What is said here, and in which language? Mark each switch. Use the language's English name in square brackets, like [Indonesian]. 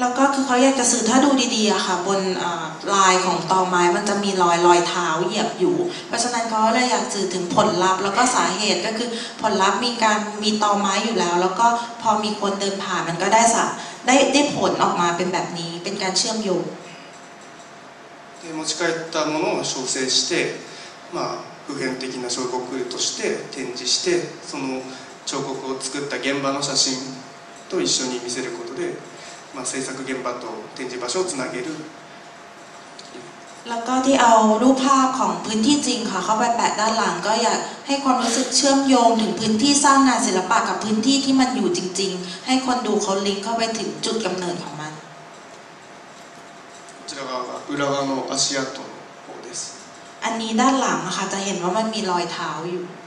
[Thai] แล้วก็คือเขาอยากจะสื่อถ้าดูดีๆค่ะบนลายของตอไม้มันจะมีรอยเท้าเหยียบอยู่เพราะฉะนั้นเขาเลยอยากสื่อถึงผลลัพธ์แล้วก็สาเหตุก็คือผลลัพธ์มีตอไม้อยู่แล้วแล้วก็พอมีคนเดินผ่านมันก็ได้ผลออกมาเป็นแบบนี้เป็นการเชื่อมโยง [Japanese] で持ち帰ったものを修正してまあ普遍的な彫刻として展示してその彫刻を作った現場の写真と一緒に見せることでまあ、制作現場と展示場所をつなげる。 [Thai] แล้วก็ที่เอารูปภาพของพื้นที่จริงค่ะเข้าไปแปะด้านหลังก็อยากให้ความรู้สึกเชื่อมโยงถึงพื้นที่สร้างงานศิลปะกับพื้นที่ที่มันอยู่จริงๆให้คนดูเขาลิงก์เข้าไปถึงจุดกำเนิดของมัน。 [Japanese] こちら側が裏側の足跡の方です。 [Thai] อันนี้ด้านหลังค่ะจะเห็นว่ามันมีรอยเท้าอยู่